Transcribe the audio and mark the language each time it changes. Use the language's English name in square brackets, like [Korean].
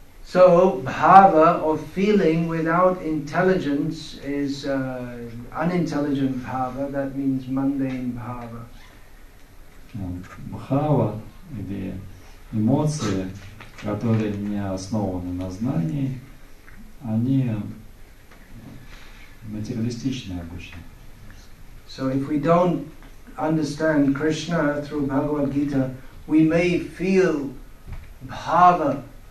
[English] So bhava or feeling without intelligence is unintelligent bhava, that means mundane bhava. [Russian] Bhava или эмоции, которые не основаны на знании, они материалистичные обычно. [English] So if we don't understand Krishna through Bhagavad Gita, we may feel bhava.